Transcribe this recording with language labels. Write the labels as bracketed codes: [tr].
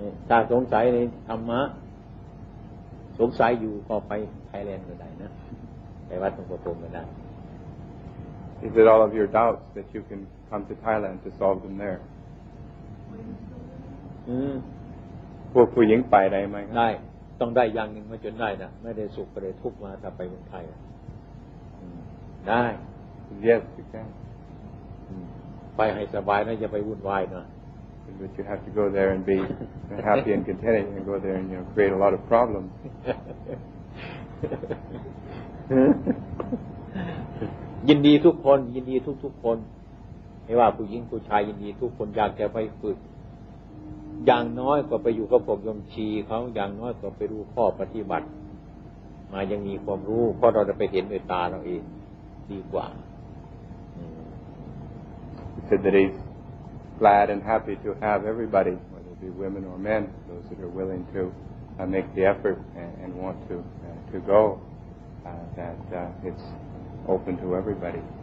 [th] ถ้าสงสัยในธรรมะสงสัยอยู่ก็ไปไทยแลนด์ก็ได้นะไปวัดหลวงพ่อพรมก็ได้ [en] Is it all of your doubts that you can come to Thailand to solve them there? [th] พวกผู้หญิงไปได้ไหมครับได้ต้องได้อย่างหนึ่งมาจนได้นะไม่ได้สุขไม่ได้ทุกข์มาถ้าไปเมืองไทยได้ [en] Yes, you can. [th] ไปให้สบายนะอย่าไปวุ่นวายนะ [en] But you have to go there and be happy and contented and go there and you know, create a lot of problems. [th] ยินดีทุกคนยินดีทุกๆคนไม่ว่าผู้หญิงผู้ชายยินดีทุกคนอยากจะไปฝึกอย่างน้อยก็ไปอยู่กับพวกโยมชีเขาอย่างน้อยก็ไปรู้ข้อปฏิบัติมายังมีความรู้เพราะเราจะไปเห็นด้วยตาเราเองดีกว่า [en] He said that he's glad and happy to have everybody, whether it be women or men, those that are willing to make the effort and want to go, that it'sopen to everybody